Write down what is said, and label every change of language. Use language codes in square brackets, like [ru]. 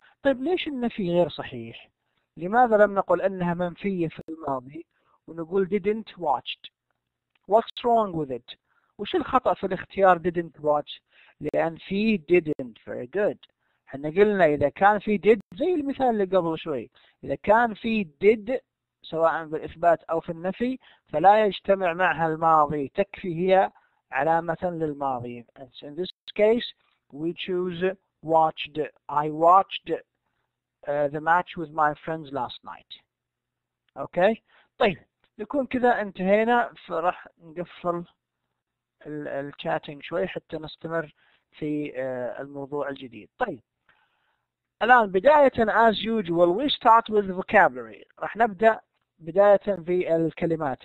[ar] طيب ليش النفي غير صحيح؟ لماذا لم نقل أنها منفية في الماضي ونقول [en] didn't watched؟ What's wrong with it؟ [ar] وش الخطأ في الاختيار [en] didn't watch؟ [ar] لأن فيه didn't. [en] Very good. [ar] احنا قلنا إذا كان في did، زي المثال اللي قبل شوي، إذا كان في did سواء بالإثبات أو في النفي فلا يجتمع معها الماضي، تكفي هي علامة للماضي. [en] And in this case we choose watched. I watched the match with my friends last night. Okay. [ar] طيب نكون كذا انتهينا، فرح نقفل الشاتنج شوي حتى نستمر في الموضوع الجديد. طيب الآن بداية [en] as usual we start with vocabulary. [ar] راح نبدأ بداية في الكلمات.